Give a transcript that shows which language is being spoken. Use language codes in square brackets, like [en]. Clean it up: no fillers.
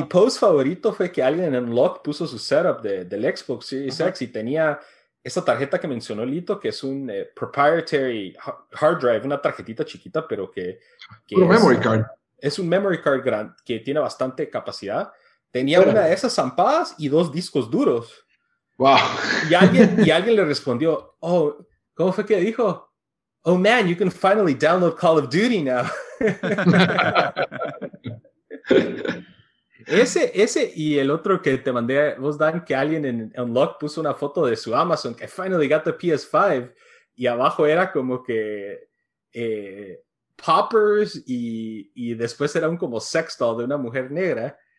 [es] Mi post favorito fue que alguien en Lock puso su setup del Xbox Series X y tenía esa tarjeta que mencionó Lito, que es un [en] proprietary hard drive, [es] una tarjetita chiquita, pero que es un memory card. Es un memory card grande que tiene bastante capacidad. Tenía una de esas zampadas y dos discos duros. Wow. Y alguien le respondió, oh, ¿cómo fue que dijo? [en] Oh man, you can finally download Call of Duty now. [es] ese y el otro que te mandé, vos Dan, que alguien en Unlock puso una foto de su Amazon, que [en] I finally got the PS5, [es] y abajo era como que poppers y después era un como sex doll de una mujer negra.